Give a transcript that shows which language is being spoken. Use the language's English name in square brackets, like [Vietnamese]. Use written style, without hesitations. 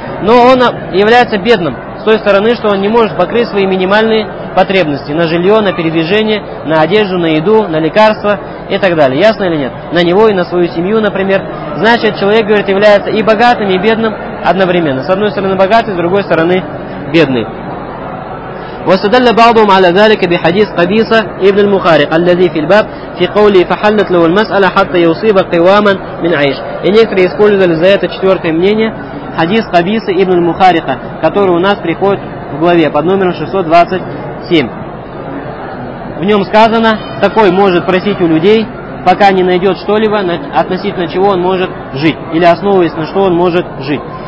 [Russian] Но он является бедным с той стороны, что он не может покрыть свои минимальные потребности на жилье, на передвижение, на одежду, на еду, на лекарства и так далее. Ясно или нет? На него и на свою семью, например. Значит, человек, говорит, является и богатым, и бедным одновременно. С одной стороны богатый, с другой стороны бедный. [Arabic] واستدل بعضهم على ذلك بحديث قبيصة ابن المخارق الذي في الباب في قوله فحلت له المسألة حتى يصيب قواما من عيش. [Russian] И некоторые использовали за это четвертое мнение, хадис Кабисы ибн Мухарика, который у нас приходит в главе под номером 627. В нем сказано, такой может просить у людей, пока не найдет что-либо, относительно чего он может жить, или основываясь на что он может жить.